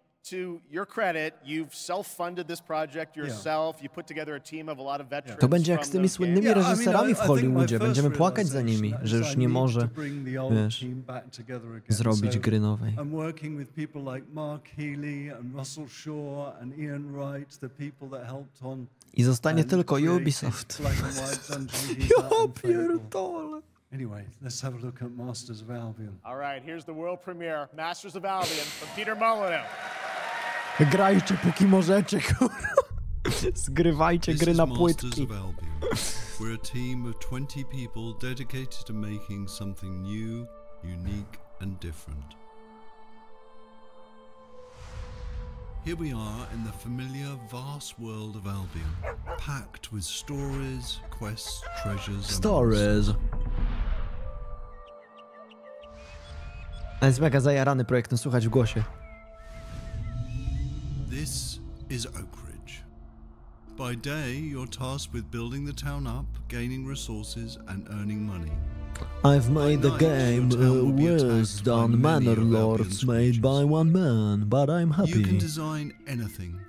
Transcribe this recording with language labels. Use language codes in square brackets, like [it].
[en] To your credit, you've self-funded this project yourself. Yeah. You put together a team of a lot of veterans. [pl] To będzie jak z tymi słynnymi reżyserami w Hollywoodzie. Będziemy płakać za nimi, że już nie może, wiesz, zrobić gry nowej. [en] I'm working with people like Mark Healy and Russell Shaw and Ian Wright, the people that helped on. [pl] I zostanie tylko Ubisoft. Jo, pierdole. [en] Anyway, let's have a look at Masters of Albion. All right, here's the world premiere, Masters of Albion, from Peter Molyneux. [pl] Grajcie, póki możecie, kurwa. Zgrywajcie gry na płytki. [en] This is Masters of Albion. We're a team of 20 people dedicated to making something new, unique, and different. Here we are in the familiar, vast world of Albion, packed with stories, quests, treasures, and stories. [pl] Ale jest mega zajarany projektem, słuchać w głosie. [en] This is Oak Ridge. By day, you're tasked with building the town up, gaining resources and earning money. I've made the game worse than manor lords made by one man, but I'm happy. You can design anything.